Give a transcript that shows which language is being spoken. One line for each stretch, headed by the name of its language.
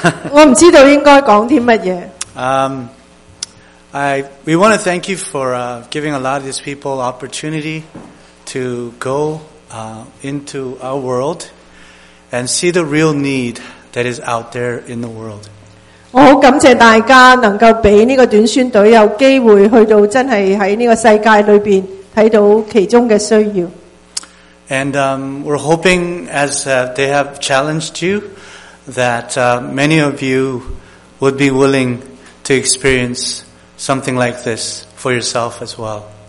Cantonese: 我唔知道应该讲啲乜嘢。
English: We want to thank you for giving a lot of these people opportunity to go into our world and see the real need that is out there in the world.
Cantonese: 我好感谢大家能够俾呢个短宣队有机会去到真系喺呢个世界里边睇到其中嘅需要。
English: And we're hoping, as they have challenged you, that many of you would be willing to experience something like this for yourself as well.